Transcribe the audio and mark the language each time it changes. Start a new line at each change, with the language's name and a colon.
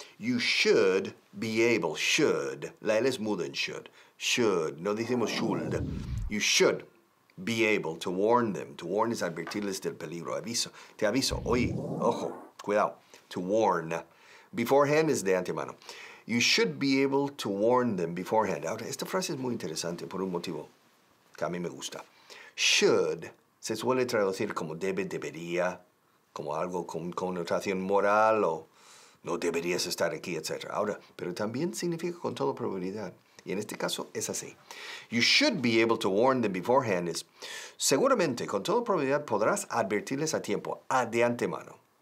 English: You should be able, should.
Spanish: La L es muda en
English: should. Should,
Spanish: no decimos
English: should. You should be able to warn them. To warn is
Spanish: advertirles del peligro. Aviso, te aviso. Oye, ojo, cuidado. To warn.
English: Beforehand is
Spanish: de antemano.
English: You should be able to warn them beforehand.
Spanish: Ahora, esta frase es muy interesante por un motivo que a mí me gusta. Should se suele traducir como debe, debería, como algo con connotación moral o no deberías estar aquí, etc. Ahora, pero también significa con toda probabilidad. Y en este caso, es así.
English: You should be able to warn them beforehand.
Spanish: Es, seguramente, con toda probabilidad, podrás advertirles a tiempo, a de antemano.